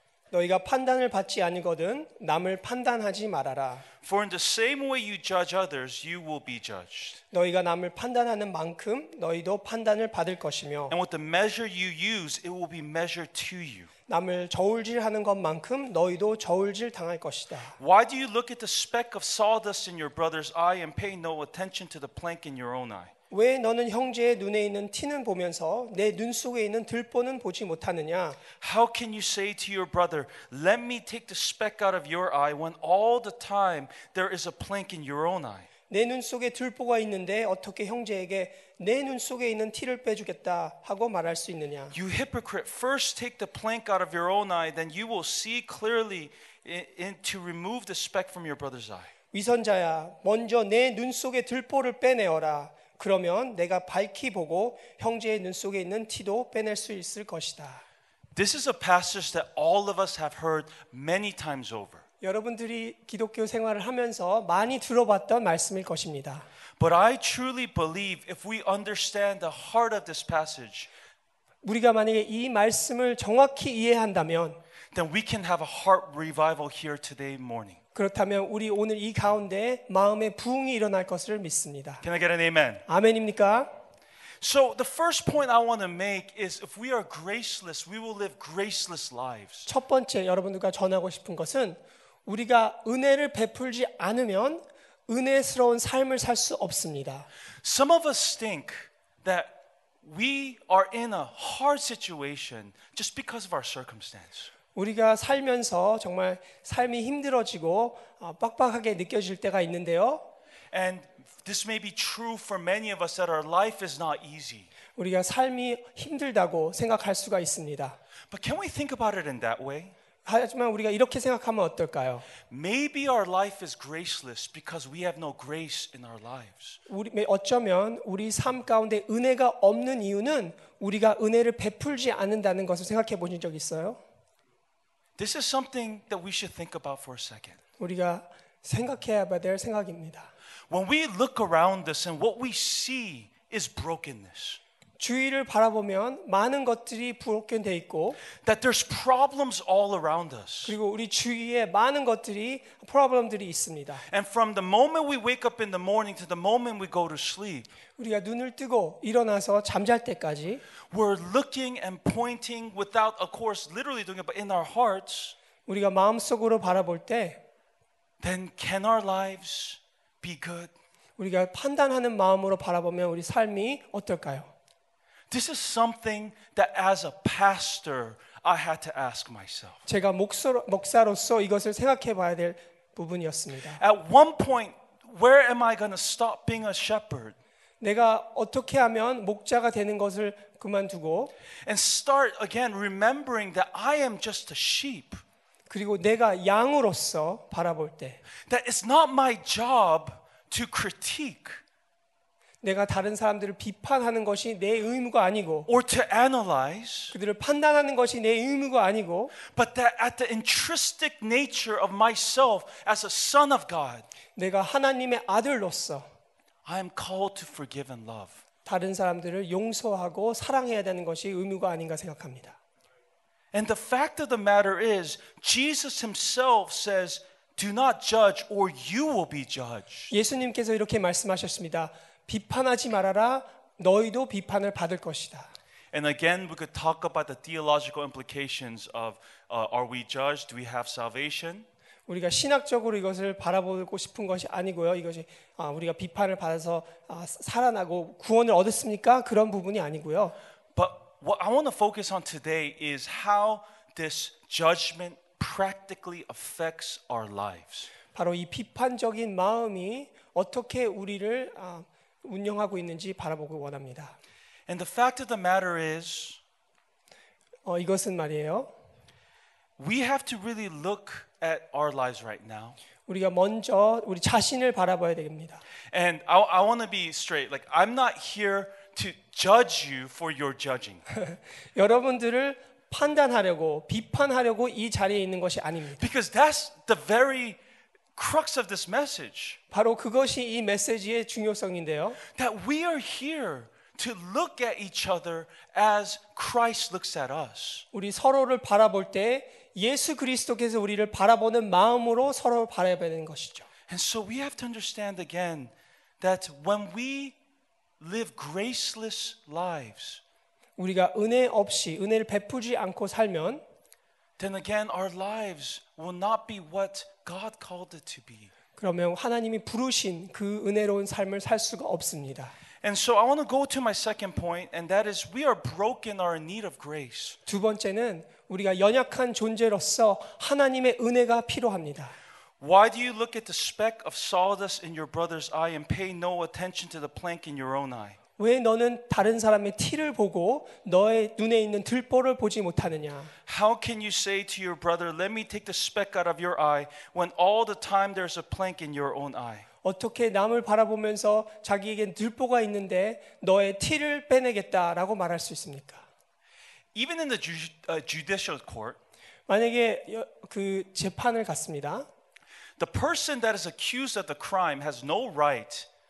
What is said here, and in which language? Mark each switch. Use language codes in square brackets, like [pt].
[ko] 너희가 판단을 받지 아니거든 남을 판단하지 말아라. [en] For in the same way you judge others, you will be judged. [ko] 너희가 남을 판단하는 만큼 너희도 판단을 받을 것이며. [en] And with the measure you use, it will be measured to you. [ko] 남을 저울질하는 것만큼 너희도 저울질 당할 것이다. [en] Why do you look at the speck of sawdust in your brother's eye and pay no attention to the plank in your own eye? [ko] 왜 너는 형제의 눈에 있는 티는 보면서 내 눈 속에 있는 들보는 보지 못하느냐? [en] How can you say to your brother, "Let me take the speck out of your eye," when all the time there is a plank in your own eye? [ko] 내 눈 속에 들보가 있는데 어떻게 형제에게 내 눈 속에 있는 티를 빼주겠다 하고 말할 수 있느냐? [en] You hypocrite, first take the plank out of your own eye, then you will see clearly to remove the speck from your brother's eye. [ko] 위선자야, 먼저 내 눈 속에 들보를 빼내어라. 그러면 내가 밝히 보고 형제의 눈 속에 있는 티도 빼낼 수 있을 것이다. [en] This is a passage that all of us have heard many times over. [ko] 여러분들이 기독교 생활을 하면서 많이 들어봤던 말씀일 것입니다. [en] But I truly believe if we understand the heart of this passage, [ko] 우리가 만약에 이 말씀을 정확히 이해한다면, [en] then we can have a heart revival here today morning. [ko] 그렇다면 우리 오늘 이 가운데 마음의 부흥이 일어날 것을 믿습니다. [en] Can I get an amen? [ko] 아멘입니까? [en] So the first point I want to make is if we are graceless, we will live graceless lives. [ko] 첫 번째 여러분들과 전하고 싶은 것은 우리가 은혜를 베풀지 않으면 은혜스러운 삶을 살 수 없습니다. [en] Some of us think that we are in a hard situation just because of our circumstance. [ko] 우리가 살면서 정말 삶이 힘들어지고 빡빡하게 느껴질 때가 있는데요. [en] And this may be true for many of us that our life is not easy. [ko] 우리가 삶이 힘들다고 생각할 수가 있습니다. [en] But can we think about it in that way? [ko] 하지만 우리가 이렇게 생각하면 어떨까요? [en] Maybe our life is graceless because we have no grace in our lives. [ko] 어쩌면 우리 삶 가운데 은혜가 없는 이유는 우리가 은혜를 베풀지 않는다는 것을 생각해 보신 적 있어요? [en] This is something that we should think about for a second. [ko] 우리가 생각해야 될 생각입니다. [en] When we look around us and what we see is brokenness. [ko] 주위를 바라보면 많은 것들이 부족해 있고 [en] that there's problems all around us. [ko] 그리고 우리 주위에 많은 것들이 프로블럼들이 있습니다. [en] And from the moment we wake up in the morning to the moment we go to sleep. [ko] 우리가 눈을 뜨고 일어나서 잠잘 때까지 [en] we're looking and pointing without of course literally doing it but in our hearts. [ko] 우리가 마음속으로 바라볼 때 [en] then can our lives be good? [ko] 우리가 판단하는 마음으로 바라보면 우리 삶이 어떨까요? [en] This is something that as a pastor I had to ask myself. [ko] 제가 목사로서 이것을 생각해 봐야 될 부분이었습니다. [en] At one point where am I going to stop being a shepherd? [ko] 내가 어떻게 하면 목자가 되는 것을 그만두고 [en] and start again remembering that I am just a sheep. [ko] 그리고 내가 양으로서 바라볼 때 [en] that it's not my job to critique. [ko] 내가 다른 사람들을 비판하는 것이 내 의무가 아니고 [en] or to analyze [ko] 그들을 판단하는 것이 내 의무가 아니고 [en] but that at the intrinsic nature of myself as a son of God [ko] 내가 하나님의 아들로서 [en] I am called to forgive and love [ko] 다른 사람들을 용서하고 사랑해야 되는 것이 의무가 아닌가 생각합니다. [en] And the fact of the matter is Jesus himself says do not judge or you will be judged. [ko] 예수님께서 이렇게 말씀하셨습니다. 비판하지 말아라 너희도 비판을 받을 것이다. [en] And again we could talk about the theological implications of are we judged? Do we have salvation? [ko] 우리가 신학적으로 이것을 바라보고 싶은 것이 아니고요. 이것이 우리가 비판을 받아서 살아나고 구원을 얻었습니까? 그런 부분이 아니고요. [en] But what I want to focus on today is how this judgment practically affects our lives. [ko] 바로 이 비판적인 마음이 어떻게 우리를 운영하고 있는지 바라보고 원합니다. [en] And the fact of the matter is [ko] 이것은 말이에요. [en] We have to really look at our lives right now. [ko] 우리가 먼저 우리 자신을 바라봐야 됩니다. [en] And I want to be straight. Like I'm not here to judge you for your judging. [ko] 여러분들을 판단하려고 비판하려고 이 자리에 있는 것이 아닙니다. [en] Because that's the very crux of this message. [ko] 바로 그것이 이 메시지의 중요성인데요. [en] That we are here to look at each other as Christ looks at us. [ko] 우리 서로를 바라볼 때 예수 그리스도께서 우리를 바라보는 마음으로 서로를 바라봐야 되는 것이죠. [en] And so we have to understand again that when we live graceless lives, [ko] 우리가 은혜 없이 은혜를 베풀지 않고 살면 [en] then again our lives will not be what God called it to be. [ko] 그러면 하나님이 부르신 그 은혜로운 삶을 살 수가 없습니다. [en] And so I want to go to my second point and that is we are broken or in need of grace. [ko] 두 번째는 우리가 연약한 존재로서 하나님의 은혜가 필요합니다. [en] Why do you look at the speck of sawdust in your brother's eye and pay no attention to the plank in your own eye? [ko] 왜 너는 다른 사람의 티를 보고 너의 눈에 있는 들보를 보지 못하느냐? [en] How can you say to your brother, "Let me take the speck out of your eye," when all the time there's a plank in your own eye? [ko] 어떻게 남을 바라보면서 자기에게 들보가 있는데 너의 티를 빼내겠다라고 말할 수 있습니까? [en] Even in the judicial court, [ko] 만약에 그 재판을 갔습니다. [en] The person that is accused of the crime has no right.